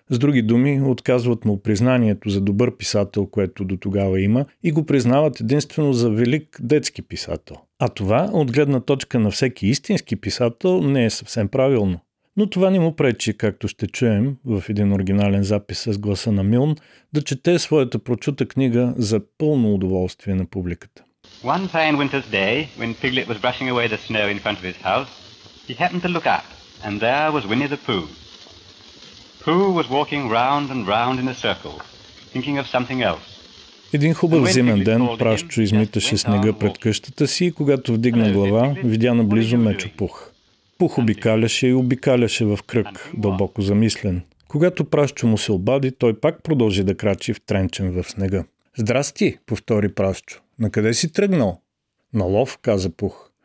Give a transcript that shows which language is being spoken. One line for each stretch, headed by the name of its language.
Bulgarian: С други думи, отказват му признанието за добър писател, което до тогава има, и го признават единствено за велик детски писател. А това, от гледна точка на всеки истински писател, не е съвсем правилно. Но това не му пречи, както ще чуем в един оригинален запис с гласа на Милн, да чете своята прочута книга за пълно удоволствие на публиката.
English: One fine winter's day, when Piglet was brushing away the snow in front of his house, he happened to look up, and there was Winnie the Pooh. Pooh was walking round and round in a circle, thinking of something else.
Bulgarian: Един хубав зимен ден, Пращо измиташе снега пред къщата си и когато вдигна глава, видя наблизо Мечо Пух. Пух обикаляше и обикаляше в кръг, дълбоко замислен. Когато Пращо му се обади, той пак продължи да крачи втренчен в снега. Здрасти, повтори Пращо. Накъде си тръгнал? На лов, каза Пух.